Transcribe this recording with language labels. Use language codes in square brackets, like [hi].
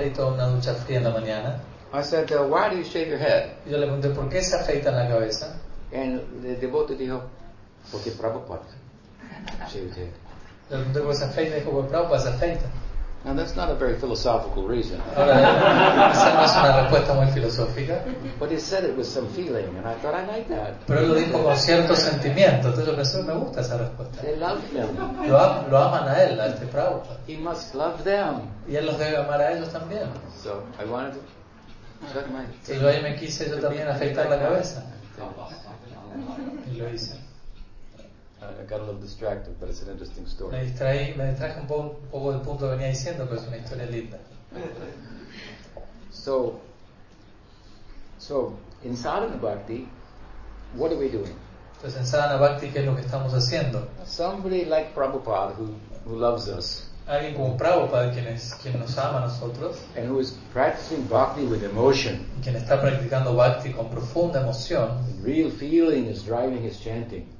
[en] I said, why do you shave your head? [es] Yo le pregunté, ¿por qué se afeitan la cabeza? [en] And the devotee [es] dijo, porque [en] Prabhupada shaved his head. [es] Le pregunté, ¿por qué se afeita? Dijo, porque Prabhupada se afeita. [en] Now that's not a very philosophical reason. [es] Esa no es una respuesta muy filosófica. [en] But he said it with some feeling, and I thought I like that. [es] Pero lo dijo con cierto sentimiento. Entonces yo pensé, me gusta esa respuesta. [en] They love him. [es] Lo aman a él, a este Prabhupada. [en] He must love them. [es] Y él los debe amar a ellos también. [en] So I wanted to cut my. [es] Si lo me quise yo también afeitar la cabeza. Y lo hice. [en] I got a little distracted, but it's an interesting story. [es] Me distraje un poco del punto que venía diciendo, pero es una historia linda. [en] So, So, in sadhana bhakti, what are we doing? [es] Entonces, en sadhana bhakti, ¿qué es lo que estamos haciendo? [en] Somebody like Prabhupada who loves us. [es] Alguien como Prabhupada, quien nos ama a nosotros. [en] And who is practicing bhakti with emotion. [es] Y quien está practicando bhakti con profunda emoción. [en] Real feeling is driving his chanting.